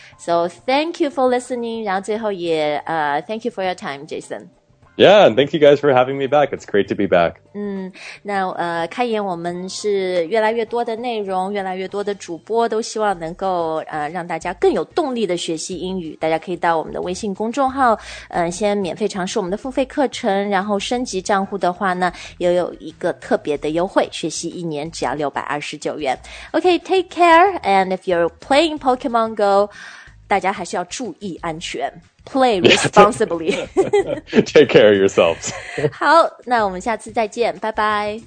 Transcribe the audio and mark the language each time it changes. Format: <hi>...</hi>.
<en>So thank you for listening，</en> <zh>然后最后也</zh> <en>thank you for your time Jason。 Yeah， and thank you guys for having me back， it's great to be back。</en> <zh>那开言我们是越来越多的内容，越来越多的主播都希望能够让大家更有动力的学习英语。大家可以到我们的微信公众号先免费尝试我们的付费课程，然后升级账户的话呢也有一个特别的优惠，学习一年只要629元。</zh> <en>OK， take care， and if you're playing Pokemon Go，</en> <zh>大家还是要注意安全。</zh> <en>Play responsibly. Take care of yourselves.</en> <zh>好，那我们下次再见，拜拜。</zh>